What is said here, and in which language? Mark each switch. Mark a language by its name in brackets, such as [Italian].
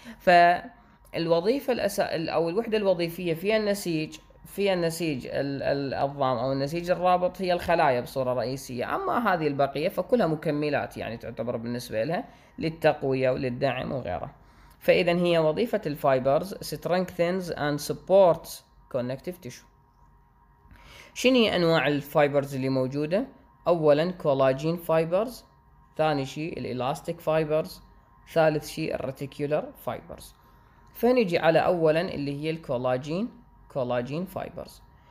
[Arabic] فالوظيفه او الوحده الوظيفيه في النسيج الضام او النسيج الرابط هي الخلايا بصوره رئيسيه، اما هذه البقيه فكلها مكملات يعني تعتبر بالنسبه لها للتقويه وللدعم وغيره. فإذا هي وظيفة الفايبرز [English] strengthens and supports connective tissue. [Arabic] شنو هي أنواع الفايبرز اللي موجودة؟ أولا كولاجين فايبرز، ثاني شيء الإلاستيك فايبرز، ثالث شيء الرتيكولر فايبرز. فنجي على أولا اللي هي الكولاجين، كولاجين فايبرز.